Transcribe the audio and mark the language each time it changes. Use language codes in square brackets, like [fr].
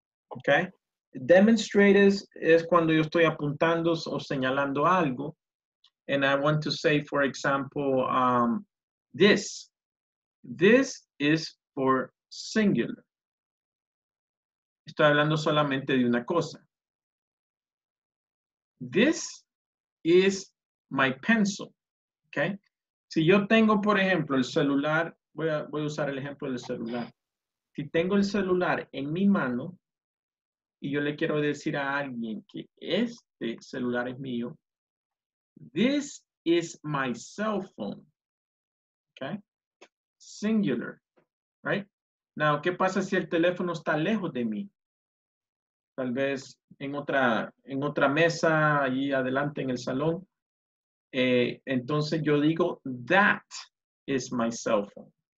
[es] Okay, demonstratives es cuando yo estoy apuntando o señalando algo. [en] And I want to say, for example, this. This is for singular. [es] Estoy hablando solamente de una cosa. [en] This is my pencil. Okay. [es] Si yo tengo, por ejemplo, el celular, voy a usar el ejemplo del celular. Si tengo el celular en mi mano y yo le quiero decir a alguien que este celular es mío, [en] this is my cell phone. Okay. Singular. Right. [es] Now, ¿qué pasa si el teléfono está lejos de mí? Tal vez en otra mesa, allí adelante en el salón. Entonces yo digo, [en] that is my cell phone.